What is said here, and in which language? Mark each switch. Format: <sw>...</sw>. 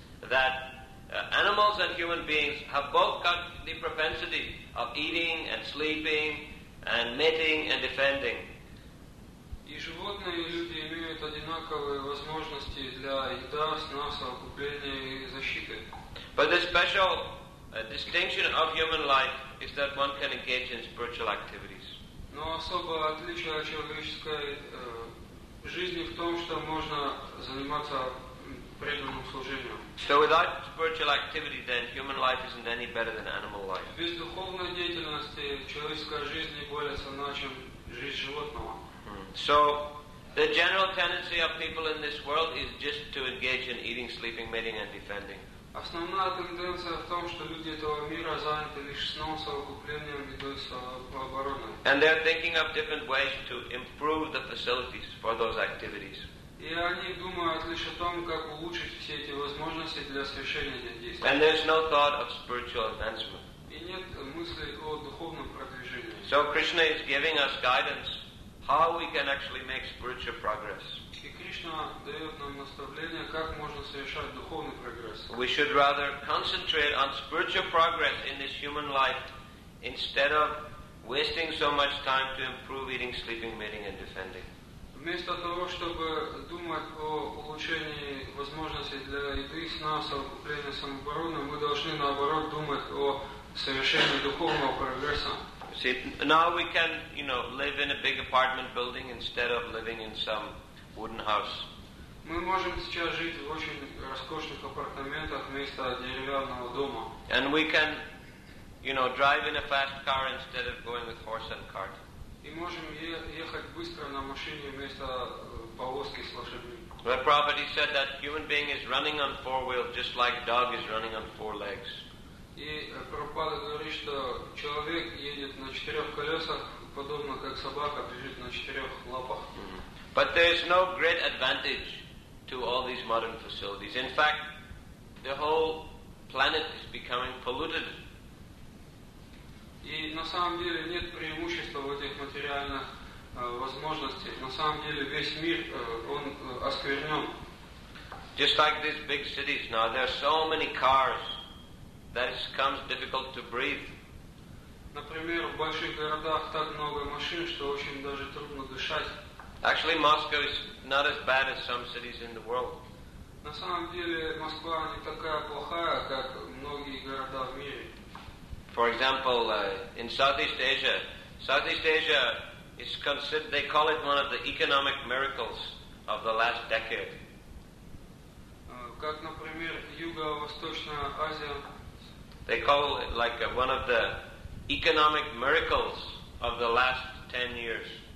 <en>That animals and human beings have both got the propensity of eating and sleeping and mating and defending.</en> <ru>И животные, и люди имеют одинаковые возможности для еда, сна, самокупления и защиты.</ru> <en>But the special distinction of human life is that one can engage in spiritual activities.</en> <ru>Но особое отличие человеческой жизни в том, что можно заниматься преданным служением.</ru> <en>So without spiritual activity, then human life isn't any better than animal life.</en> <ru>Без духовной деятельности человеческая жизнь не более ценна, чем жизнь животного.</ru> <en>So, the general tendency of people in this world is just to engage in eating, sleeping, mating, and defending.</en> <ru>Основная тенденция в том, что люди этого мира заняты лишь сном, совокуплением, едой, обороной.</ru> <en>And they're thinking of different ways to improve the facilities for those activities.</en> <ru>И они думают лишь о том, как улучшить все эти возможности для совершения этих действий.</ru> <en>And there's no thought of spiritual advancement.</en> <ru>И нет мысли о духовном продвижении.</ru> <en>So Krishna is giving us guidance how we can actually make spiritual progress.</en> <ru>И Кришна дает нам наставление, как можно совершать духовный прогресс.</ru> <en>We should rather concentrate on spiritual progress in this human life instead of wasting so much time to improve eating, sleeping, mating, and defending.</en> <ru>Вместо того, чтобы думать о улучшении возможностей для еды, сна, совокупления, самообороны, мы должны наоборот думать о совершении духовного прогресса.</ru> <en>See, now we can, you know, live in a big apartment building instead of living in some wooden house.</en> <ru>Мы можем сейчас жить в очень роскошных апартаментах вместо деревянного дома.</ru> <en>And we can, you know, drive in a fast car instead of going with horse and cart.</en> <ru>И можем ехать быстро на машине вместо повозки с лошадьми.</ru> <en>The Prabhupada said that human being is running on four wheels just like dog is running on four legs.</en> <ru>И Прабхупада говорит, что человек едет на четырех колесах, подобно как собака бежит на четырех лапах. Mm-hmm.</ru> <en>But there is no great advantage to all these modern facilities. In fact, the whole planet is becoming polluted.</en> <ru>И на самом деле нет преимущества в этих материальных возможностях. На самом деле весь мир, он осквернен.</ru> <en>Just like these big cities now, there are so many cars. that it becomes difficult to breathe.</en> <ru>Например, в больших городах так много машин, что очень даже трудно дышать.</ru> <en>Actually, Moscow is not as bad as some cities in the world.</en> <ru>На самом деле, Москва не такая плохая, как многие города в мире.</ru> <en>For example, in Southeast Asia is considered, they call it one of the economic miracles of the last decade.</en> <ru>Как, например, Юго-Восточная Азия.</ru> <en>They call it like one of the economic miracles of the last 10 years.</en>